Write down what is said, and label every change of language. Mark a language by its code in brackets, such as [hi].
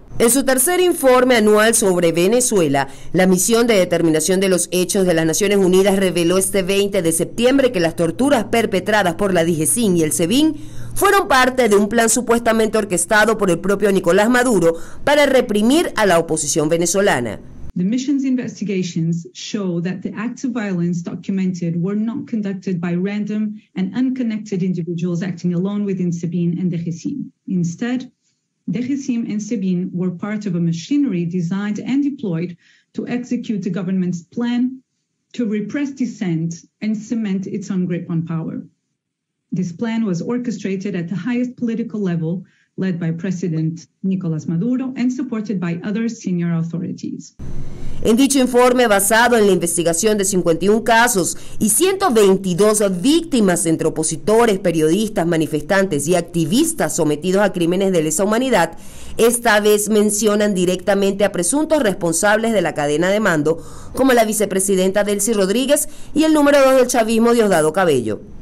[es] En su tercer informe anual sobre Venezuela, la Misión de Determinación de los Hechos de las Naciones Unidas reveló este 20 de septiembre que las torturas perpetradas por la DIGESIN y el SEBIN fueron parte de un plan supuestamente orquestado por el propio Nicolás Maduro para reprimir a la oposición venezolana. [en] The mission's investigations show that the acts of violence documented were not conducted by random and unconnected individuals acting alone within SEBIN and DIGESIN. Instead, DIGESIN and SEBIN were part of a machinery designed and deployed to execute the government's plan to repress dissent and cement its own grip on power. This plan was orchestrated at the highest political level, led by President Nicolás Maduro and supported by other senior authorities. [es] En dicho informe, basado en la investigación de 51 casos y 122 víctimas entre opositores, periodistas, manifestantes y activistas sometidos a crímenes de lesa humanidad, esta vez mencionan directamente a presuntos responsables de la cadena de mando, como la vicepresidenta Delcy Rodríguez y el número 2 del chavismo, Diosdado Cabello.